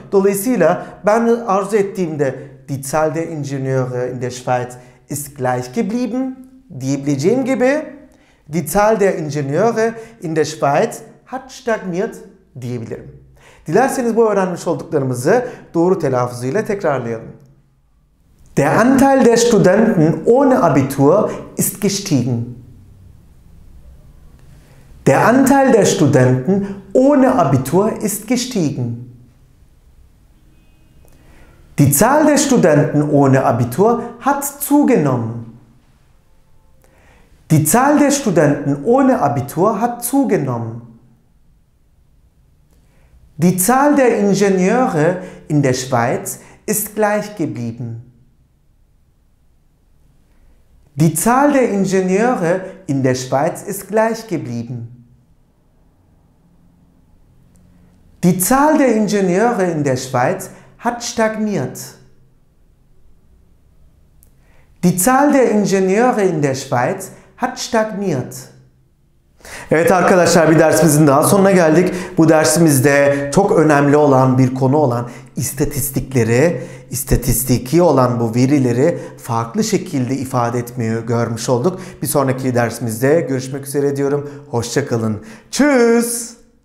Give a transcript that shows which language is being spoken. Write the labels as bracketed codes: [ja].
[tr] Dolayısıyla ben arzu ettiğimde [de] Die Zahl der Ingenieure in der Schweiz ist gleich geblieben [tr] diyebileceğim gibi [de] Die Zahl der Ingenieure in der Schweiz hat stagniert [tr] diyebilirim. Dilerseniz bu öğrenmiş olduklarımızı doğru telaffuzuyla tekrarlayalım. [de] Der Anteil der Studenten ohne Abitur ist gestiegen. Der Anteil der Studenten ohne Abitur ist gestiegen. Die Zahl der Studenten ohne Abitur hat zugenommen. Die Zahl der Studenten ohne Abitur hat zugenommen. Die Zahl der Ingenieure in der Schweiz ist gleich geblieben. Die Zahl der Ingenieure in der Schweiz ist gleich geblieben. Die Zahl der Ingenieure in der Schweiz hat stagniert. Die Zahl der Ingenieure in der Schweiz hat stagniert. [tr] Evet arkadaşlar, bir dersimizin daha sonuna geldik. Bu dersimizde çok önemli olan bir konu olan istatistikleri, istatistiki olan bu verileri farklı şekilde ifade etmeyi görmüş olduk. Bir sonraki dersimizde görüşmek üzere diyorum. Hoşça kalın. Tschüss.